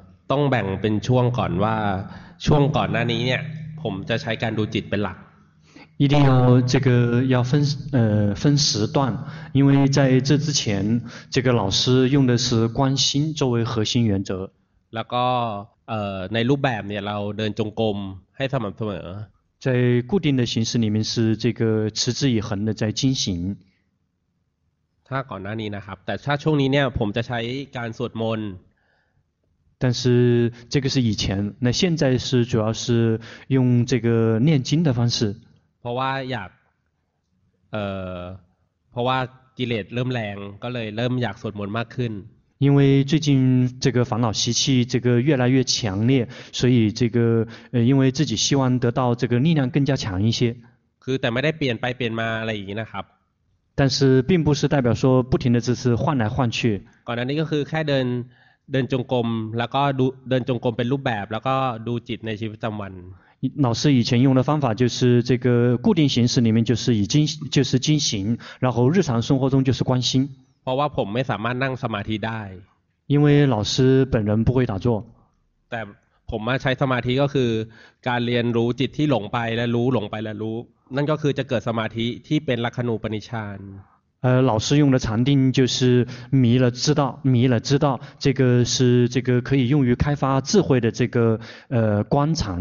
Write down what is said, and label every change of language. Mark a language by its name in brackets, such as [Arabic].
[Thai] ต้องแบ่งเป็นช่วงก่อนว่าช่วงก่อนหน้านี้เนี่ยผมจะใช้การดูจิตเป็นหลัก [Chinese] 一定要这个要分分时段，因为在这之前，这个老师用的是观心作为核心原则。然后 [Thai] ในรูปแบบเนี่ยเราเดินจงกรมให้สม่ำเสม [Chinese] อ在固定的形式里面是这个持之以恒的在进行。 [Thai] ถ้าก่อนหน้านี้นะครับแต่ถ้าช่วงนี้เนี่ยผมจะใช้การสวดมนต์ [Chinese] 但是这个是以前，那现在是主要是用这个念经的方式。 [Thai] เพราะว่าอยากเพราะว่ากิเลสเริ่มแรงก็เลยเริ่มอยากสวดมนต์มากขึ้น [Chinese] 因为最近这个烦恼习气这个越来越强烈，所以这个因为自己希望得到这个力量更加强一些。 [Thai] คือแต่ไม่ได้เปลี่ยนไปเปลี่ยนมาอะไรอย่างนี้นะครับ [Chinese] 但是并不是代表说不停的只是换来换去。 [Thai] ก่อนหน้านี้ก็คือแค่เดินจงกรมแล้วก็ดูเดินจงกรมเป็นรูปแบบแล้วก็ดูจิตในชีวิตประจำวัน [Chinese] 老师以前用的方法就是这个固定形式里面就是进行然后日常生活中就是观心 [Thai] เพราะว่าผมไม่สามารถนั่งสมาธิได้ [Chinese] 因为老师本人不会打坐 [Thai] แต่ผมมาใช้สมาธิก็คือการเรียนรู้จิตที่หลงไปและรู้หลงไปและรู้นั่นก็คือจะเกิดสมาธิที่เป็นลัคนูปนิชฌาน [Chinese] 老师用的禅定就是迷了知道，迷了知道，这个是这个可以用于开发智慧的这个观禅。